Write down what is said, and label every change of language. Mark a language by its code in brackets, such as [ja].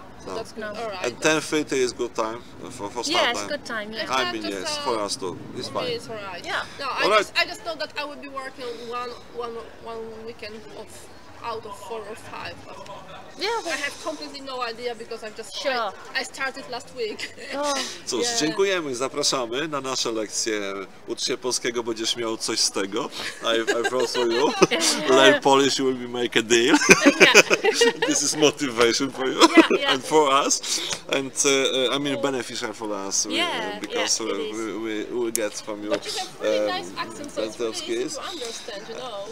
[en] So that's good. No. All right, and 10:30 is good time for start time. Yeah, it's good time. Yeah. I mean, yes, for us too. It's fine. It's all right. Yeah. No, I just know that I will be working one weekend out of 4 or 5. Yeah, I have completely no idea because I've just I started last week. [pl] Cóż, dziękujemy, zapraszamy na nasze lekcje. Ucz się polskiego, będziesz miał coś z tego. [en] I promise you. Learn Polish, you will be make a deal. This is motivation for you and for us. And I mean beneficial for us because we get from you. But you have really nice accent, so it's really easy to understand, you know.